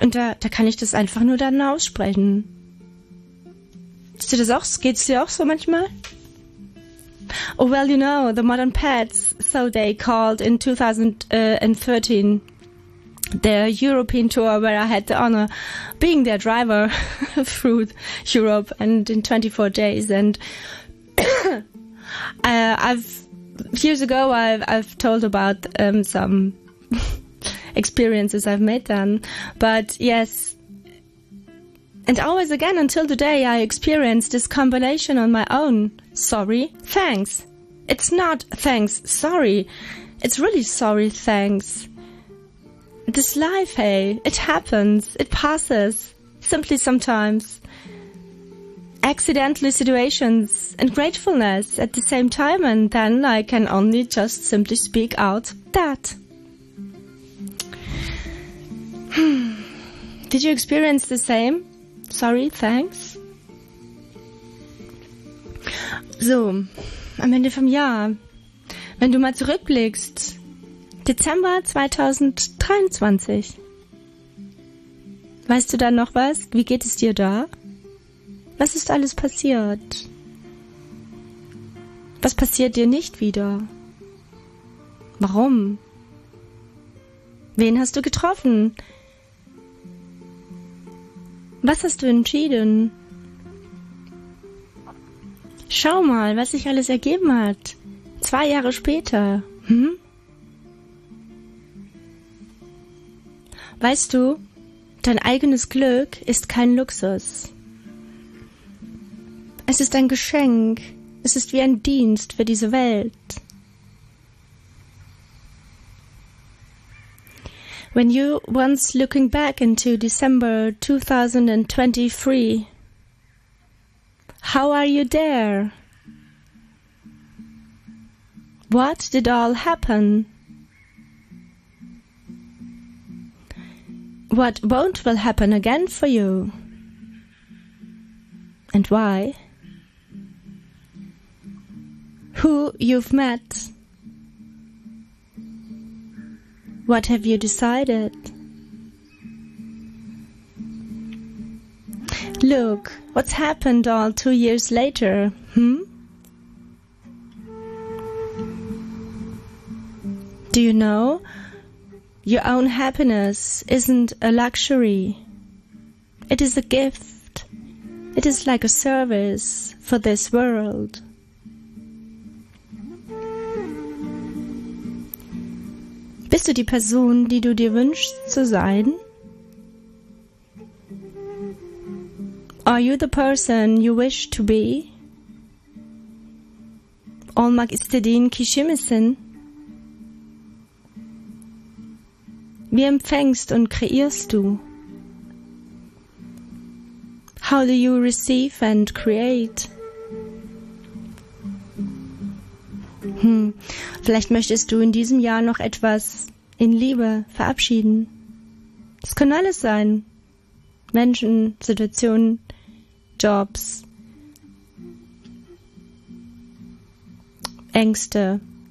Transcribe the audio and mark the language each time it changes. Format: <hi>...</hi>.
<de>Und da kann ich das einfach nur dann aussprechen. Ist dir das auch? Geht's dir auch so manchmal?</de> <en>Oh well, you know, the Modern Pads, so they called in 2013. The European tour where I had the honor being their driver through Europe and in 24 days. And years ago I've told about some experiences I've made then. But yes, and always again until today I experienced this combination on my own. Sorry, thanks. It's not thanks, sorry. It's really sorry, thanks. This life, hey, it happens, it passes, simply sometimes. Accidental situations and gratefulness at the same time, and then I can only just simply speak out that. Did you experience the same? Sorry, thanks.</en> <de>So, am Ende vom Jahr, wenn du mal zurückblickst, Dezember 2023, weißt du da noch was? Wie geht es dir da? Was ist alles passiert? Was passiert dir nicht wieder? Warum? Wen hast du getroffen? Was hast du entschieden? Schau mal, was sich alles ergeben hat. 2 Jahre später. Weißt du, dein eigenes Glück ist kein Luxus. Es ist ein Geschenk. Es ist wie ein Dienst für diese Welt.</de> <en>When you once looking back into December 2023, how are you there? What did all happen? What won't will happen again for you? And why? Who you've met? What have you decided? Look, what's happened all 2 years later, Do you know? Your own happiness isn't a luxury. It is a gift. It is like a service for this world.</en> <de>Bist du die Person, die du dir wünschst zu sein?</de> <en>Are you the person you wish to be?</en> <tr>Olmak istediğin kişi misin?</tr> <de>Wie empfängst und kreierst du?</de> <en>How do you receive and create?</en> <de>Vielleicht möchtest du in diesem Jahr noch etwas in Liebe verabschieden. Das kann alles sein. Menschen, Situationen, Jobs, Ängste.</de>